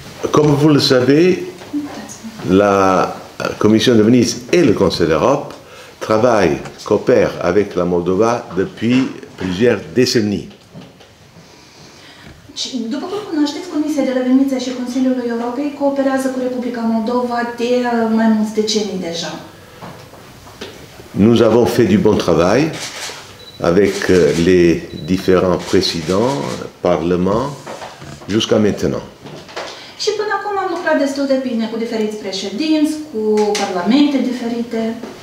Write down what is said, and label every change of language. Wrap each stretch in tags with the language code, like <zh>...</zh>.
<fr>Comme vous le savez, la Commission de Venise et le Conseil d'Europe travaille, coopère avec la Moldova depuis plusieurs décennies.</fr> <ro>După cum cunoașteți, Comisia de la Veneția și Consiliul Europei cooperează cu Republica Moldova de mai mulți decenii deja.</ro> <fr>Nous avons fait du bon travail avec les différents présidents, parlements, jusqu'à maintenant.</fr> <ro>Și până acum am lucrat destul de bine cu diferiți președinți, cu parlamente diferite.</ro>